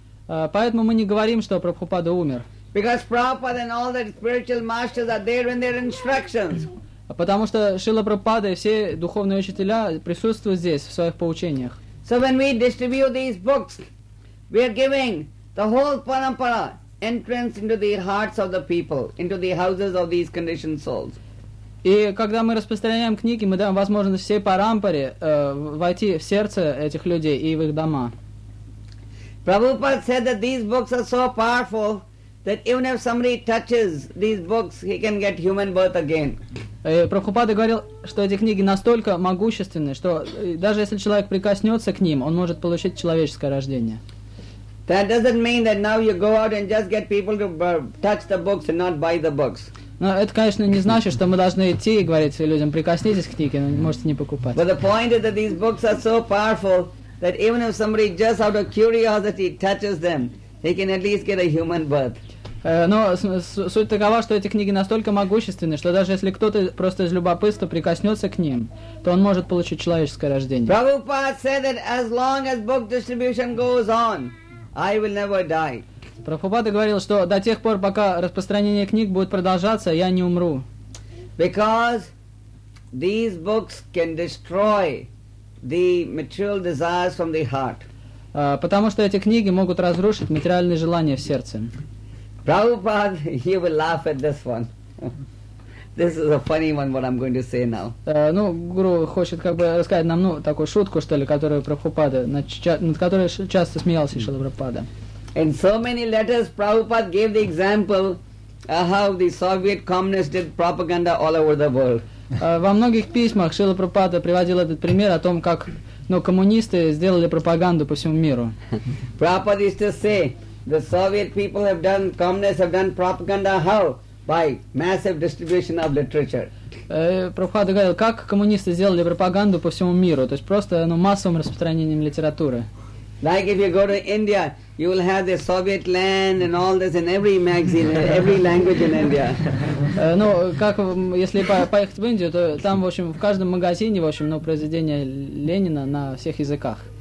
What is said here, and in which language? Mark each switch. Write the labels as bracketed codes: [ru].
[ru] Поэтому мы не говорим, что Прабхупада умер. [en] Because Prabhupada and all the spiritual masters are there in their instructions. [ru] Потому что Шрила Прабхупада и все духовные учителя присутствуют здесь в своих поучениях. [en] So when we distribute these books, we are giving the whole parampara entrance into the hearts of the people, into the houses of these conditioned souls. [ru] И когда мы распространяем книги, мы даем возможность всей парампаре войти в сердце этих людей и в их дома. [en] Prabhupada said that these books are so powerful that even if somebody touches these books, he can get human birth again. [ru] Прабхупада говорил, что эти книги настолько могущественны, что даже если человек прикоснется к ним, он может получить человеческое рождение. [en] That doesn't mean that now you go out and just get people to touch the books and not buy the books. [ru] Но это, конечно, не значит, что мы должны идти и говорить людям, прикоснитесь к книге, но можете не покупать. [en] But the point is that these books are so powerful that even if somebody just out of curiosity touches them, they can at least get a human birth. [ru] Но суть такова, что эти книги настолько могущественны, что даже если кто-то просто из любопытства прикоснется к ним, то он может получить человеческое рождение. [en] Prabhupada said that as long as book distribution goes on, I will never die. [ru] Прабхупада говорил, что до тех пор, пока распространение книг будет продолжаться, я не умру. [en] Because these books can destroy the material desires from the heart. [ru] Потому что эти книги могут разрушить материальные желания в сердце. [en] Prabhupada, you will laugh at this one. This is a funny one, what I'm going to say now. [ru] Ну, гуру хочет как бы рассказать нам, ну, такую шутку, что ли, которую Прабхупада, над которой часто смеялся Шрила Прабхупада. [en] In so many letters, Prabhupada gave the example of how the Soviet communists did propaganda all over the world. [ru] Во многих письмах Шрила Прабхупада приводил этот пример о том, как, ну, коммунисты сделали пропаганду по всему миру. [en] Prabhupada used to say, the Soviet people have done, communists have done propaganda how? By massive distribution of literature. [ru] Прабхупада говорил, как коммунисты сделали пропаганду по всему миру, то есть просто, ну, массовым распространением литературы. [en] Like if you go to India, you will have the Soviet land and all this in every magazine, every language in India. [ru] Ну, как если поехать в Индию, то там, в общем, в каждом магазине, в общем, ну, произведения Ленина на всех языках.